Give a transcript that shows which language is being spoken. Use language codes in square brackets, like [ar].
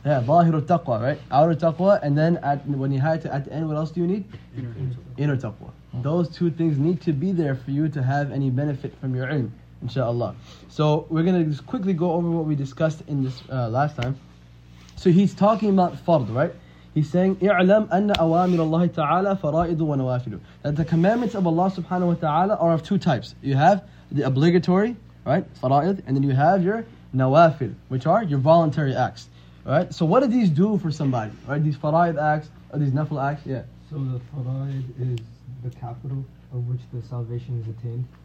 [en] Yeah, zahir taqwa, right? Outer taqwa, and then at the end, what else do you need? Inner taqwa. Those two things need to be there for you to have any benefit from your ilm, inshallah. So we're going to just quickly go over what we discussed in this last time. So he's talking about fard, right? He's saying, [ar] اعلم أن أوامر الله تعالى فرائض ونوافل. [en] That the commandments of Allah subhanahu wa ta'ala are of two types. You have the obligatory, right? Fara'id. And then you have your nawafil, which are your voluntary acts. Right? So what do these do for somebody? Right? These fara'id acts, or these nafil acts? Yeah. So the fara'id is the capital of which the salvation is attained.